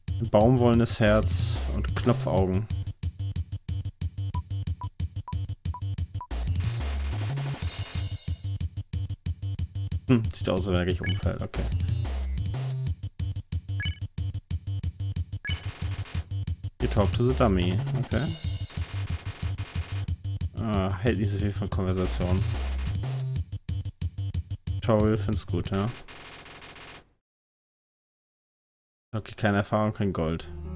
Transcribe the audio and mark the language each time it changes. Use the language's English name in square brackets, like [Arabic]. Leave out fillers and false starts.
[German] Baumwollenes Herz und Knopfaugen. Sieht aus, als wäre ich umfällt, okay. [English] You talk to the dummy, okay. [German] Hält nicht so viel von Konversation. Toll, find's gut, ja. Okay, keine Erfahrung, kein Gold.